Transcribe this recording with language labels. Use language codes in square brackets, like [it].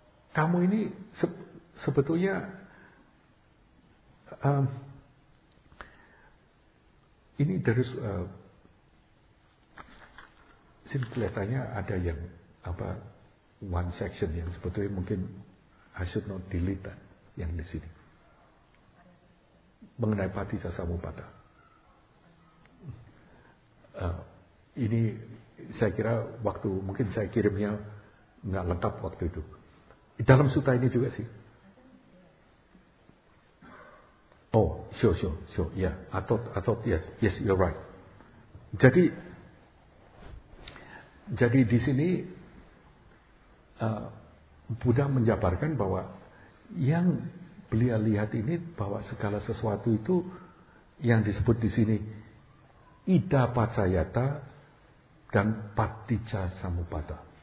[id] Kamu ini sebetulnya ini dari sini kelihatannya ada yang apa [en] one section [id] yang sebetulnya mungkin [en] I should not delete that, [id] yang di sini mengenai patisasamupata. Ini saya kira waktu mungkin saya kirimnya nggak lengkap waktu itu. Dalam sutta ini juga sih. [en] Oh, sure, ya. Yeah. I thought, yes, you're right. [id] Jadi di sini Buddha menjabarkan bahwa yang beliau lihat ini bahwa segala sesuatu itu yang disebut di sini ida pacayata dan paticca samuppada.